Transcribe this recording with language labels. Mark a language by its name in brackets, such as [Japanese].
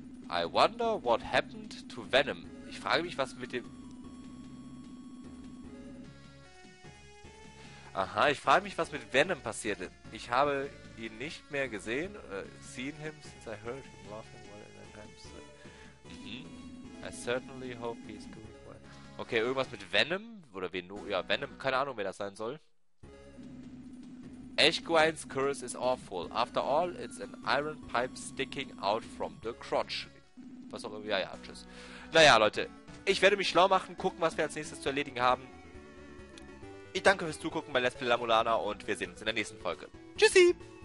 [English] I wonder what happened to Venom. [German] Ich frage mich, was mit dem... Aha, ich frage mich, was mit Venom passierte. Ich habe ihn nicht mehr gesehen. [English] Seen him since I heard him laughing while in the campsite. I certainly hope he's doing well. [German] Okay, irgendwas mit Venom? Oder Venom? Ja, Venom. Keine Ahnung, wer das sein soll. [English] Eshguine's curse is awful. After all, it's an iron pipe sticking out from the crotch. [German] Was auch immer. Ja, ja, tschüss. Naja, Leute. Ich werde mich schlau machen, gucken, was wir als nächstes zu erledigen haben. Ich danke fürs Zugucken bei Let's Play Lamulana und wir sehen uns in der nächsten Folge. Tschüssi!